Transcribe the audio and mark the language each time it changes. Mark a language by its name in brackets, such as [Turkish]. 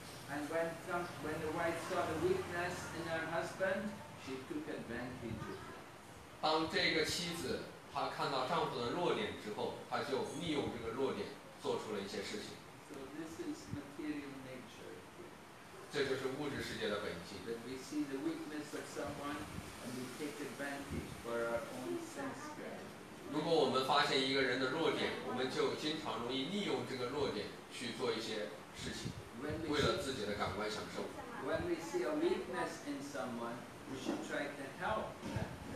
[English] And when the wife saw the weakness in her husband, she took advantage of it. [Chinese] 当这个妻子她看到丈夫的弱点之后，她就利用这个弱点做出了一些事情。 [English] So this is material nature. [Chinese] 这就是物质世界的本性。 [English] That we see the weakness of someone and we take advantage for our own sense gratification. [Chinese] 如果我们发现一个人的弱点，我们就经常容易利用这个弱点去做一些事情，为了自己的感官享受。 [English] When we see a weakness in someone, we should try to help them.